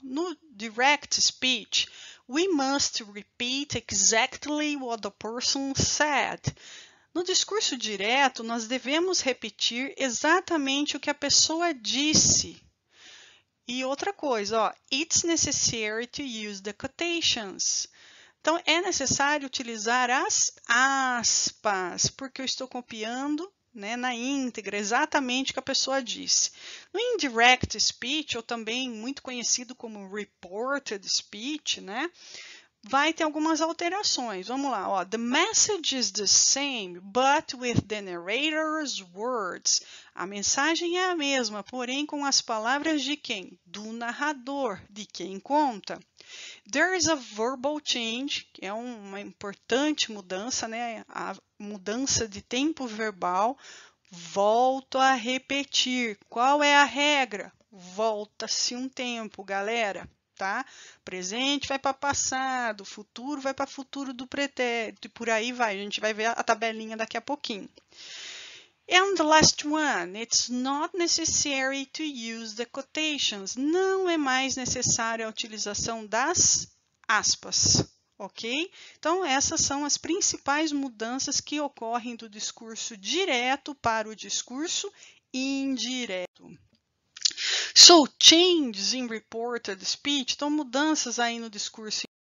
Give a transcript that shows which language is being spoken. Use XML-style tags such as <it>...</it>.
<en>No direct speech, we must repeat exactly what the person said.</en> <pt>No discurso direto, nós devemos repetir exatamente o que a pessoa disse. E outra coisa, ó,</pt> <en>it's necessary to use the quotations.</en> <pt>Então, é necessário utilizar as aspas, porque eu estou copiando, né, na íntegra, exatamente o que a pessoa disse. No indirect speech, ou também muito conhecido como reported speech, né, vai ter algumas alterações. Vamos lá, ó.</pt> <en>The message is the same, but with the narrator's words.</en> <pt>A mensagem é a mesma, porém com as palavras de quem? Do narrador, de quem conta.</pt> <en>There is a verbal change,</en> <pt>que é uma importante mudança, né? A mudança de tempo verbal. Volto a repetir. Qual é a regra? Volta-se um tempo, galera. Tá? Presente vai para passado, futuro vai para futuro do pretérito e por aí vai. A gente vai ver a tabelinha daqui a pouquinho.</pt> <en>And the last one, it's not necessary to use the quotations.</en> <pt>Não é mais necessária a utilização das aspas, ok? Então, essas são as principais mudanças que ocorrem do discurso direto para o discurso indireto.</pt> <en>So, changes in reported speech,</en> <pt>então mudanças aí no discurso.</pt>